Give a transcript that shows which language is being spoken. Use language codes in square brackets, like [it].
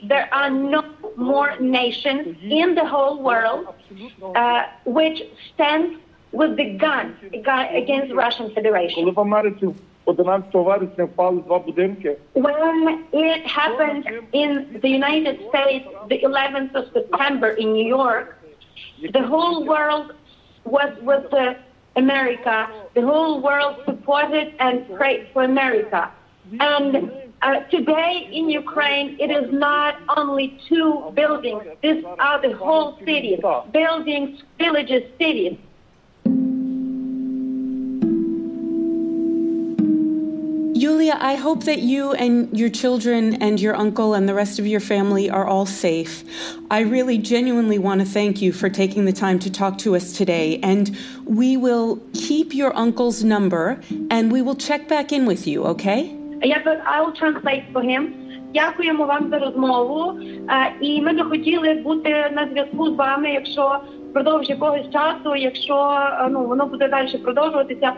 [en] There are no more nations in the whole world which stand with the gun against Russian Federation. [uk] Коли в Америці 11 вересня впали два будинки. [en] When it happened in the United States, the 11th of September in New York, the whole world was with the America, the whole world supported and prayed for America. And today in Ukraine, it is not only two buildings. These are the whole cities, buildings, villages, cities. Yulia, I hope that you and your children and your uncle and the rest of your family are all safe. I really genuinely want to thank you for taking the time to talk to us today. And we will keep your uncle's number and we will check back in with you, okay? I'll translate for him. [uk] Дякуємо вам за розмову. І ми б хотіли бути на зв'язку з вами, якщо впродовж якогось часу, якщо ну воно буде далі продовжуватися.